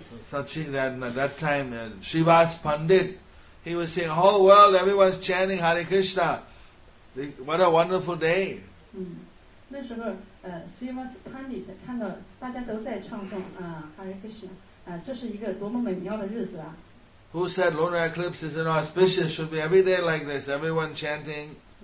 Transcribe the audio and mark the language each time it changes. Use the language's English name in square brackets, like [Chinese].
[English] Such that at that time, Srivas Pandit, he was saying, whole world, everyone's chanting Hare Krishna. What a wonderful day. [Chinese] 那时候 Srivas Pandit 看到大家都在唱诵 Hare Krishna, 这是一个多么美妙的日子啊。 [English] Who said lunar eclipse is inauspicious? Should be every day like this, everyone chanting.